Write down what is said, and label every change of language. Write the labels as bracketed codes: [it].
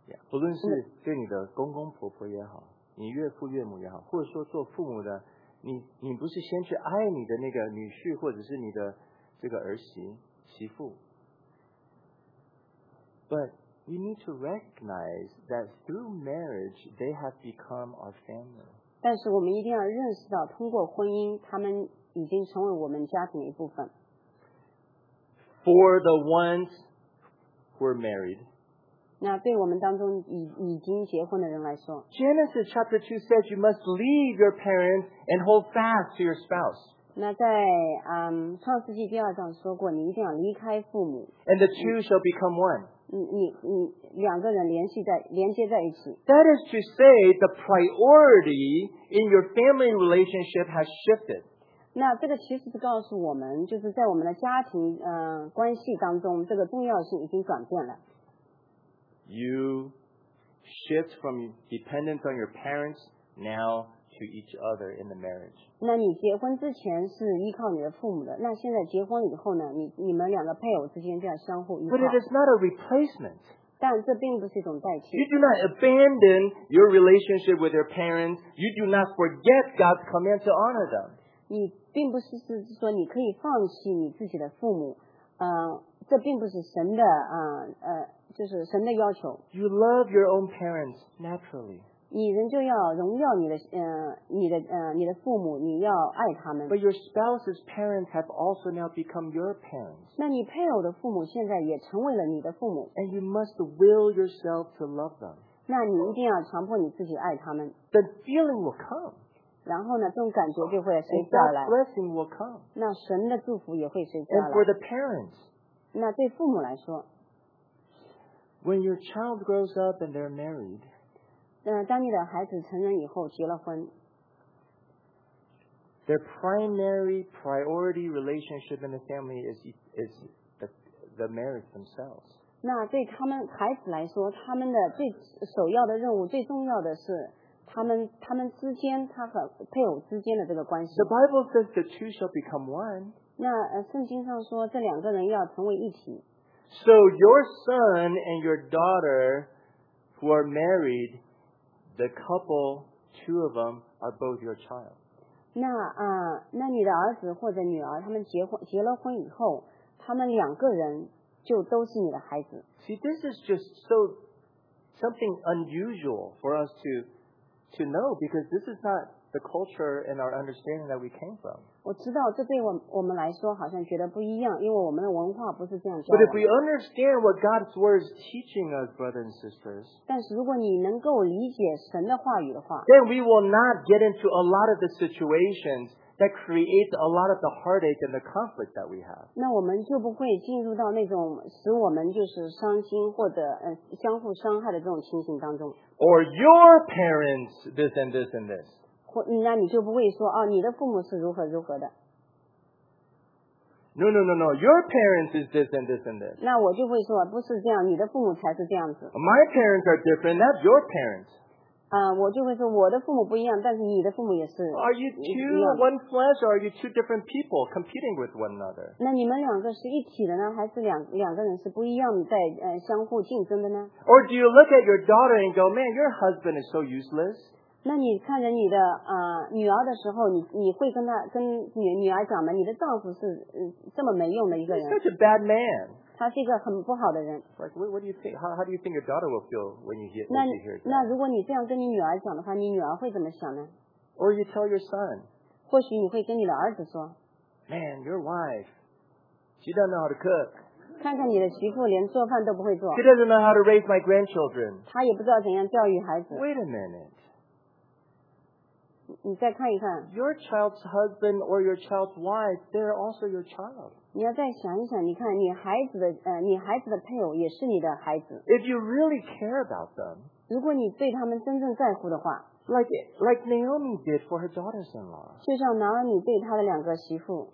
[zh] 不论是对你的公公婆婆也好，你岳父岳母也好，或者说做父母的你不是先去爱你的那个女婿或者是你的这个儿媳媳妇 [en] But we need to recognize that through marriage they have become our family. [zh] 但是我们一定要认识到通过婚姻他们已经成为我们家庭的一部分。 [en] For the ones who are married, [zh] 那对我们当中已经结婚的人来说 [en] Genesis chapter 2 says you must leave your parents and hold fast to your spouse. [zh] 那在创世纪第二章说过你一定要离开父母 [en] And the two shall become one. [zh] 你两个人连接在一起 [en] That is to say the priority in your family relationship has shifted. [zh] 那这个其实是告诉我们就是在我们的家庭关系当中这个重要性已经转变了 [en] You shift from dependence on your parents now to each other in the marriage. [zh] 那你结婚之前是依靠你的父母的，那现在结婚以后呢？你们两个配偶之间就要相互依靠。 [en] But it is not a replacement. [zh] 但这并不是一种代替。 [en] You do not abandon your relationship with your parents. You do not forget God's command to honor them. [zh] 你并不是说你可以放弃你自己的父母，这并不是神的就是神的要求。 [en] You love your own parents naturally. [zh] 你人就要荣耀你的父母，你要爱他们。 [en] But your spouse's parents have also now become your parents. [zh] 那你配偶的父母现在也成为了你的父母。 [en] And you must will yourself to love them. [zh] 那你一定要强迫你自己爱他们。 [en] The feeling will come. [zh] 然后呢，这种感觉就会随之而来。 [en] And blessing will come. [zh] 那神的祝福也会随之而来。 [en] And for the parents. [zh] 那对父母来说。 [en] When your child grows up and they're married, [zh] 当你的孩子成人以后结了婚, [en] their primary priority relationship in the family is the marriage themselves. [zh] 那对他们孩子来说，他们的最首要的任务，最重要的是他们之间，他和配偶之间的这个关系。 [en] The Bible says the two shall become one. [zh] 那圣经上说，这两个人要成为一体。 [en] So your son and your daughter who are married, the couple, two of them, are both your child. [zh] 那你的儿子或者女儿，他们结了婚以后，他们两个人就都是你的孩子。 [en] See, this is just so something unusual for us to know, because this is not the culture and our understanding that we came from. [zh] 我知道这对我们来说好像觉得不一样，因为我们的文化不是这样教 [en] 的。But if we understand what God's word is teaching us, brothers and sisters, [zh] 但是如果你能够理解神的话语的话， [en] then we will not get into a lot of the situations that create a lot of the heartache and the conflict that we have. [zh] 那我们就不会进入到那种使我们就是伤心或者相互伤害的这种情形当中。 [en] Or your parents this and this and this. [zh] 那你就不会说啊，你的父母是如何如何的。 [en] No, no, no, no. Your parents is this and this and this. [zh] 那我就会说不是这样，你的父母才是这样子。 [en] My parents are different. That's your parents. [zh] 我就会说我的父母不一样，但是你的父母也是。 [en] Are you two one flesh or are you two different people competing with one another? [zh] 那你们两个是一体的呢，还是两个人是不一样在相互竞争的呢？ [en] Or do you look at your daughter and go, man, your husband is so useless? [zh] 那你看着你的女儿的时候，你会跟女儿讲吗？你的丈夫是这么没用的一个人。 [en] He's such a bad man. [zh] 他是一个很不好的人。 [en] Like, what do you think? How do you think your daughter will feel when you hear that? [zh] 那如果你这样跟你女儿讲的话，你女儿会怎么想呢？ [en] Or you tell your son. [zh] 或许你会跟你的儿子说。 [en] Man, your wife, she doesn't know how to cook. [zh] 看看你的媳妇连做饭都不会做。 [en] She doesn't know how to raise my grandchildren. [zh] 她也不知道怎样教育孩子。 [en] Wait a minute. [zh] 你再看一看。 [en] Your child's husband or your child's wife, they're also your child. [zh] 你要再想一想，你看你孩子的配偶也是你的孩子。 [en] If you really care about them, [zh] 如果你对他们真正在乎的话， [en] like Naomi did for her daughters-in-law, [zh] 就像拿俄米对她的两个媳妇，